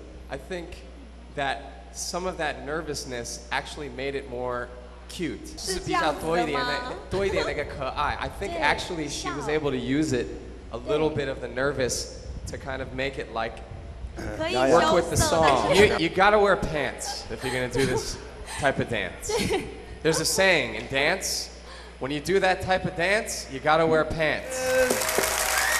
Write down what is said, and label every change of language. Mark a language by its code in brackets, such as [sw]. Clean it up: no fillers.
[en] I think that some of that nervousness actually made it more cute. [zh] 是比较多一点那个可爱. [en] I think actually she was able to use it, a little bit of the nervous, to kind of make it like work with the song. You gotta wear pants if you're gonna do this type of dance. There's a saying in dance, when you do that type of dance, you gotta wear pants.